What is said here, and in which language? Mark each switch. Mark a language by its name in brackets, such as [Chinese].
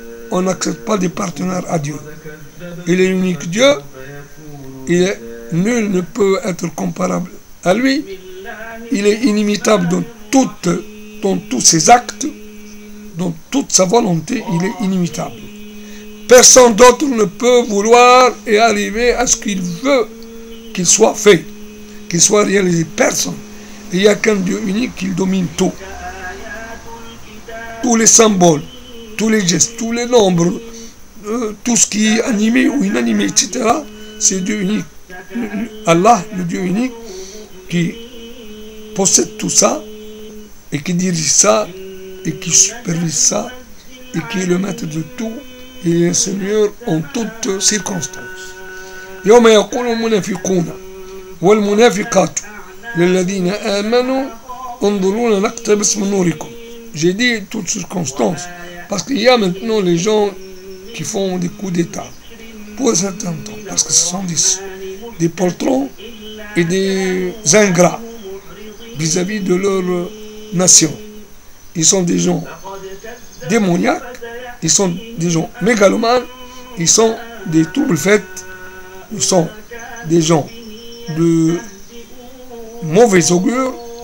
[French] on n'accepte pas des partenaires à Dieu il est unique Dieu et nul ne peut être comparable à lui il est inimitable dans tous ses actes dans toute sa volonté il est inimitable Personne d'autre ne peut vouloir et arriver à ce qu'il veut qu'il soit fait, qu'il soit réalisé. Personne. Il n'y a qu'un Dieu unique qui domine tout. Tous les symboles, tous les gestes, tous les nombres, tout ce qui est animé ou inanimé, etc., c'est Dieu unique. Allah, le Dieu unique, qui possède tout ça, et qui dirige ça, et qui supervise ça, et qui est le maître de tout. Il est Seigneur en toutes circonstances. [Arabic] يوم يقول المنافقون والمنافقات للذين آمنوا انظرونا نقتبس من نوركم. [French] J'ai dit toutes circonstances parce qu'il y a maintenant les gens qui font des coups d'État pour un certain temps parce que ce sont des poltrons et des ingrats vis-à-vis de leur nation. Ils sont des gens démoniaques. Ils sont des gens mégalomanes, ils sont des troubles faits, ils sont des gens de mauvais augure.